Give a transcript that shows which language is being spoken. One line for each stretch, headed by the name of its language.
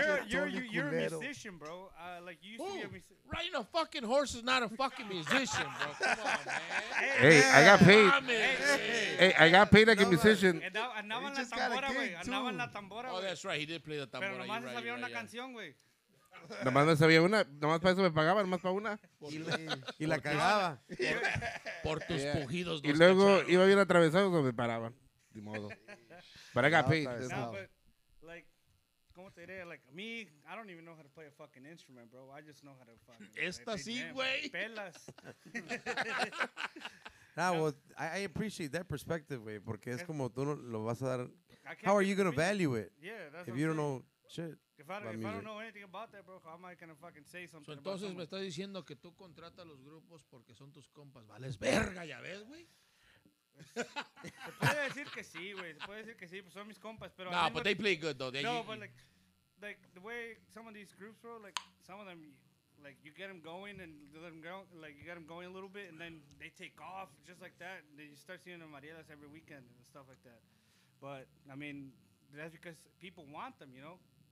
English: You're a musician, bro. Like you used to be a musician. Riding a fucking horse is not a fucking musician, bro. Come on, man. Hey, yeah. I got paid. Hey, I got paid like a musician.
Spanish: Andaba en la tambora, güey. Andaba en la tambora.
English: Oh, that's right. He did play the tambora.
Spanish: Pero nomás sabía una canción, güey. Nomás me sabía una, nomás para eso me pagaban, nomás para una. Y la cagaba. Por tus pujidos. Y luego iba bien atravesado o me paraban. De modo. Pero
English: I got paid. No, but, like,
Spanish: ¿cómo te diré?
English: Like, me, I don't even know how to play a fucking instrument, bro. I just know how to fucking.
Spanish: Esta sí, güey. Pelas.
English: Nah, well, I appreciate that perspective,
Spanish: güey, porque es como tú lo vas a dar.
English: How are you going to value it? Yeah, that's if you don't know shit. If I don't know anything about that, bro, how am I gonna fucking say something?
Spanish: So entonces me estás diciendo que tú contratas los grupos porque son tus compas. Vales verga, ya ves, güey. Se puede decir que sí, güey. Se puede decir que sí, pues son mis compas. Pero
English: no, but they play good, though. They no, but like the way some of these groups, bro, like some of them, like you get them going and let them go, like you get them going a little bit and then they take off just like that. And then you start seeing them Marielas every weekend and stuff like that. But I mean, that's because people want them, you know?